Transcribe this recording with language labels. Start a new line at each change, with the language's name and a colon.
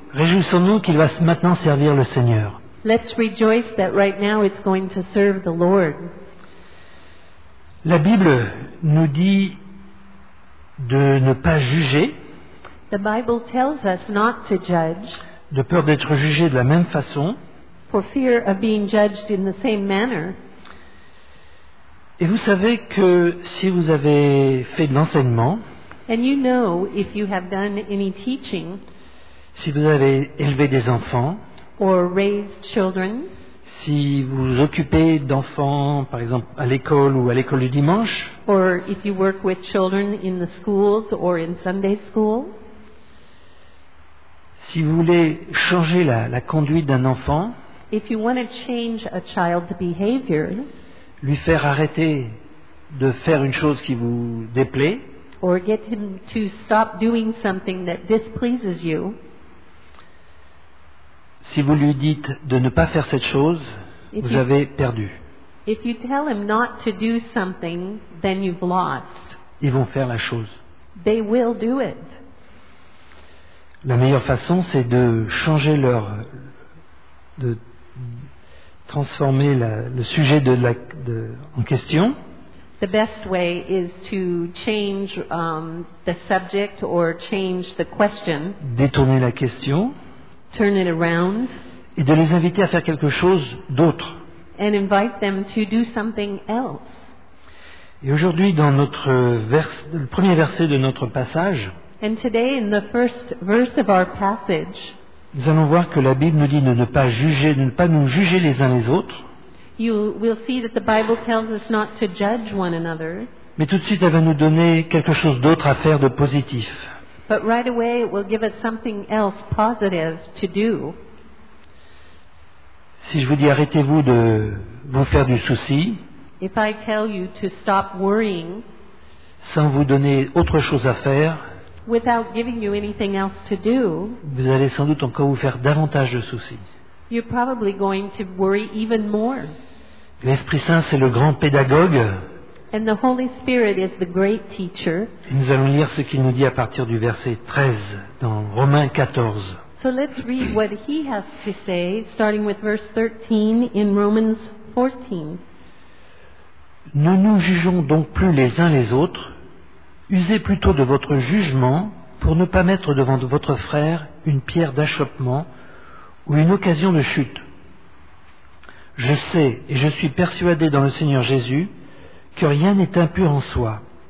French: Réjouissons-nous qu'il va maintenant servir le Seigneur.
English: Let's rejoice that right now it's going to serve the Lord.
French: La Bible nous dit de ne pas juger.
English: The Bible tells us not to judge.
French: De peur d'être jugé de la même façon.
English: For fear of being judged in the same manner.
French: Et vous savez que si vous avez fait de l'enseignement,
English: and you know if you have done any teaching,
French: si vous avez élevé des enfants,
English: or raised children,
French: si vous occupez d'enfants, par exemple, à l'école ou à l'école du dimanche,
English: or if you work with children in the schools or in Sunday school,
French: si vous voulez changer la conduite d'un enfant,
English: if you want to change a child's behavior,
French: lui faire arrêter de faire une chose qui vous déplaît,
English: or get him to stop doing something that displeases you,
French: si vous lui dites de ne pas faire cette chose, vous avez perdu.
English: If you tell him not to do something, then you've lost.
French: Ils vont faire la chose.
English: They will do it.
French: La meilleure façon, c'est de changer transformer le sujet en question.
English: The best way is to change the subject or change the question.
French: Détourner la question.
English: Turn it around.
French: Et de les inviter à faire quelque chose d'autre.
English: and invite them to do something else.
French: Et aujourd'hui, dans notre le premier verset de notre passage,
English: and today in the first verse of our passage,
French: nous allons voir que la Bible nous dit de ne pas juger, de ne pas nous juger les uns les autres.
English: You will see that the Bible tells us not to judge one another.
French: Mais tout de suite, elle va nous donner quelque chose d'autre à faire de positif.
English: But right away, it will give us something else positive to do.
French: Si je vous dis arrêtez-vous de vous faire du souci,
English: if I tell you to stop worrying,
French: sans vous donner autre chose à faire,
English: without giving you anything else to do,
French: vous allez sans doute encore vous faire davantage de soucis.
English: You're probably going to worry even more.
French: L'Esprit Saint, c'est le grand pédagogue.
English: And the Holy Spirit is the great teacher.
French: Nous allons lire ce qu'il nous dit à partir du verset 13 dans Romains 14.
English: So let's read what he has to say, starting with verse 13 in Romans 14.
French: Ne nous jugeons donc plus les uns les autres. Usez plutôt de votre jugement pour ne pas mettre devant votre frère une pierre d'achoppement ou une occasion de chute. Je sais et je suis persuadé dans le Seigneur Jésus que rien n'est impur en soi.